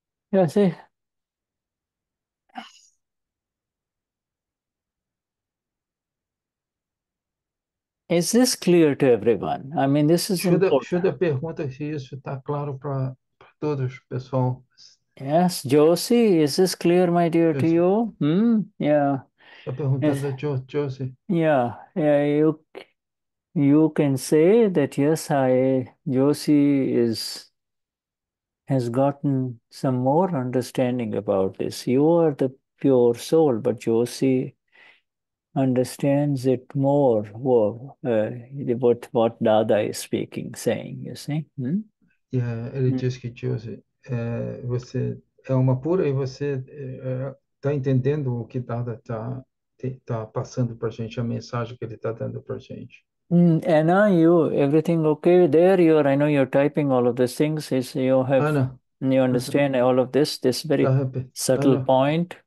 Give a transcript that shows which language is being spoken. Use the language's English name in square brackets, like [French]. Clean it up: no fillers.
[Portuguese] Eu sei. [English] Is this clear to everyone? I mean, this is Should important. [Portuguese] a pergunta se isso está claro para todos, pessoal? [English] Yes, Josie, is this clear, my dear, to Josi. you? Yeah. [Portuguese] Está perguntando a Josi. [English] You can say that yes, Josie has gotten some more understanding about this. You are the pure soul, but Josie understands it more, what Dada is speaking, saying, you see? [Portuguese] Ele disse que Josi, você é uma pura e você está entendendo o que Dada tá passando para a gente, a mensagem que ele está dando para a gente. [English] Anna, everything okay there? I know you're typing all of these things. Ana, You understand all of this very subtle point.